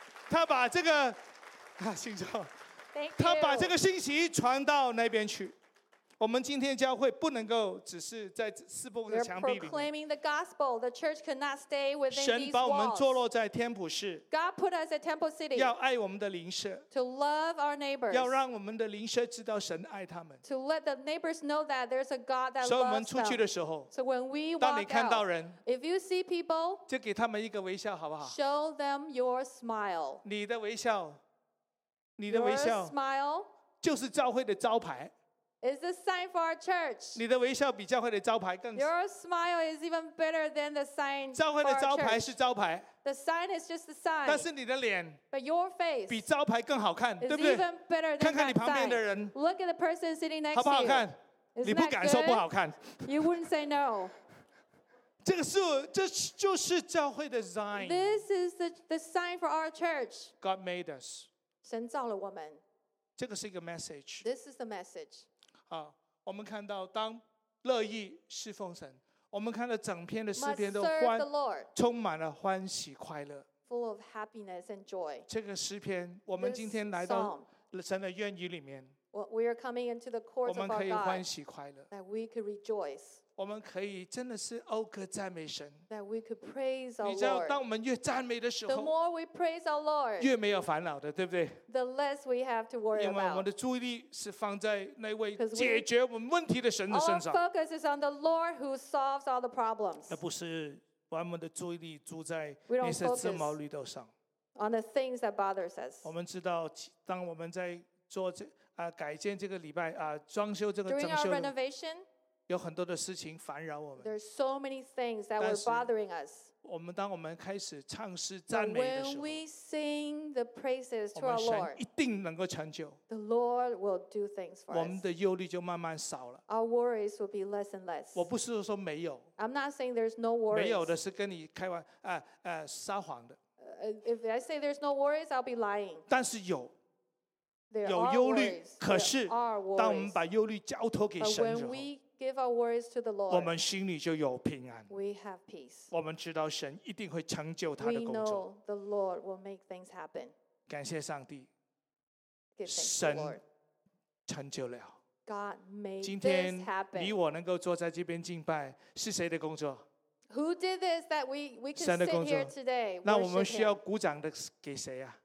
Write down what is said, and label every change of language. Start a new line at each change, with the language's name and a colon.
Chinese: 他把这个、啊、他把这个信息传到那边去。我们今天教会不能够只是在四部的墙壁里。
English: We're proclaiming the gospel. The church cannot stay within these walls.
Chinese: 神把我们坐落在天普市。
English: God put us at Temple City.
Chinese: 要爱我们的邻舍。
English: To love our neighbors.
Chinese: 要让我们的邻舍知道神爱他们。
English: To let the neighbors know that there's a God that loves them.
Chinese: 所以我们出去的时候。
English: So when we walk out.
Chinese: 当你看到人。
English: If you see people.
Chinese: 就给他们一个微笑好不好？
English: Show them your smile.
Chinese: 你的微笑。你的微笑。
English: Your smile.
Chinese: 就是教会的招牌。
English: It's a sign for our church.
Chinese: 你的微笑比教会的招牌更。
English: Your smile is even better than the sign for our
Chinese: church. 教会的招牌是招牌。
English: The sign is just the sign.
Chinese: 但是你的脸。
English: But your face.
Chinese: 比招牌更好看，对不对？
English: Is even better than the sign.
Chinese: 看看你旁边的人。
English: Look at the person sitting next to you.
Chinese: 好不好看？
English: Isn't that good?
Chinese: 你不敢说不好看。
English: You wouldn't say no.
Chinese: 这个是这就是教会的 sign.
English: This is the sign for our church. God made us.
Chinese: 神造了我们。这个是一个 message.
English: This is the message.
Chinese: 好，我们看到当乐意侍奉神，我们看到整篇的诗篇都欢充满了欢喜快乐。
English: Full of happiness and joy.
Chinese: 这个诗篇，我们今天来到神的愿意里面。
English: We are coming into the courts of our God.
Chinese: 我们可以欢喜快乐。
English: That we could rejoice.
Chinese: 我们可以真的是讴歌赞美神。
English: That we could praise our Lord.
Chinese: 你知道，当我们越赞美的时候
English: ，The more we praise our Lord.
Chinese: 越没有烦恼的，对不对
English: ？The less we have to worry about.
Chinese: 因为我们的注意力是放在那位解决我们问题的神的身上。
English: Our focus is on the Lord who solves all the problems.
Chinese: 而不是把我们的注意力注在那些鸡毛绿豆上。
English: On the things that bother us.
Chinese: 我们知道，当我们在做这。改建这个礼拜装修这个整修
English: During our renovation,
Chinese: 有很多的事情烦扰我们
English: There are so many things that were bothering us.
Chinese: 我们当我们开始唱诗赞美的时候
English: When we sing the praises to our Lord,
Chinese: 我们神一定能够成就
English: The Lord will do things for us.
Chinese: 我们的忧虑就慢慢少了
English: Our worries will be less and less.
Chinese: 我不是说没有
English: I'm not saying there's no worries.
Chinese: 没有的是跟你开玩撒谎的
English: If I say there's no worries, I'll be lying.
Chinese: 但是有有忧虑，可是当我们把忧虑交托给神之后，我们心里就有平安。
English: We have peace.
Chinese: 我们知道神一定会成就他的工作。
English: We know the Lord will make things happen.
Chinese: 感谢上帝，
English: Give thanks to the Lord.
Chinese: 神成就了。
English: God made this happen.
Chinese: 今天你我能够坐在这边敬拜，是谁的工作？
English: Who did this that we can sit here today?
Chinese: 那我们需要鼓掌的给谁啊？